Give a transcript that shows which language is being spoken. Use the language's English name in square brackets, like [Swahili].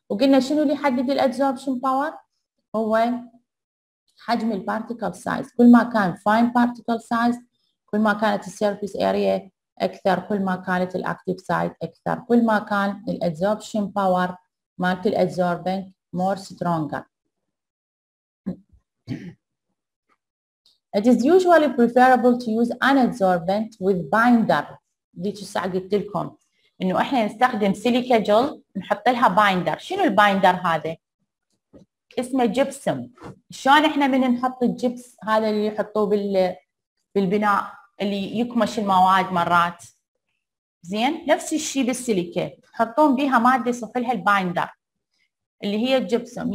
[Arabic] وقلنا شنو اللي يحدد الادزوربشن باور؟ هو حجم البارتيكل سايز. كل ما كان فاين بارتيكل سايز كل ما كانت السيرفيس اريا اكثر، كل ما كانت الاكتيف سايد اكثر، كل ما كان الادزوربشن باور مالت الادزوربنت [English] More stronger. It is usually preferable to use an adsorbent with binder. [Arabic] ليش سأقلت لكم إنه إحنا نستخدم سيليكا جل نحط لها بايندر. شنو البايندر هذا؟ اسمه جبسم. شلون إحنا من نحط الجبس هذا اللي يحطوه بالبناء اللي يكمش المواد مرات؟ زين، نفس الشيء بالسيليكا حطون بها مادة صفلها البايندر اللي هي الجبسم.